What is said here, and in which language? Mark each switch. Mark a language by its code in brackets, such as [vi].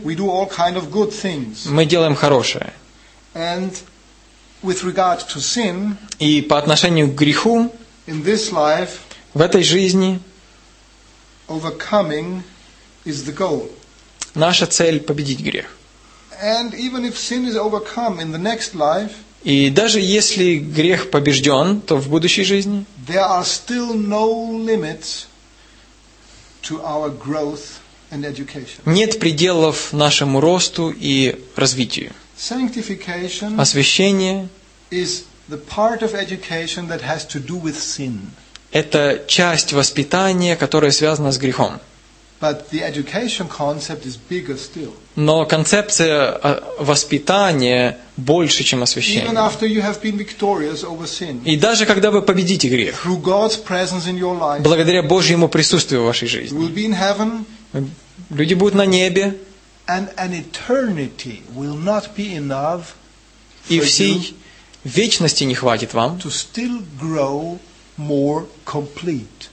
[en] we do all kind of good things. [ru] Мы делаем хорошее. [en] And with regard to sin, [ru] и по отношению к греху, [en] in this life, [ru] в этой жизни, [en] overcoming is the goal. [ru] Наша цель – победить грех. [en] And even if sin is overcome in the next life, [ru] и даже если грех побежден, то в будущей жизни, [en] there are still no limits to our growth and education. [ru] Нет пределов нашему росту и развитию. [en] Sanctification, [ru] освящение, [en] is the part of education that has to do with sin. [ru] Это часть воспитания, которая связана с грехом. [en] But the education concept is bigger still. [ru] Но концепция воспитания больше, чем освящение. [en] Even after you have been victorious over sin, [ru] и даже когда вы победите грех, [en] through God's presence in your life, [ru] благодаря Божьему присутствию в вашей жизни, [en] you will be in heaven, [ru] люди будут на небе, [en] and an eternity will not be enough [ru] и всей вечности не хватит вам, [en] to still grow more complete.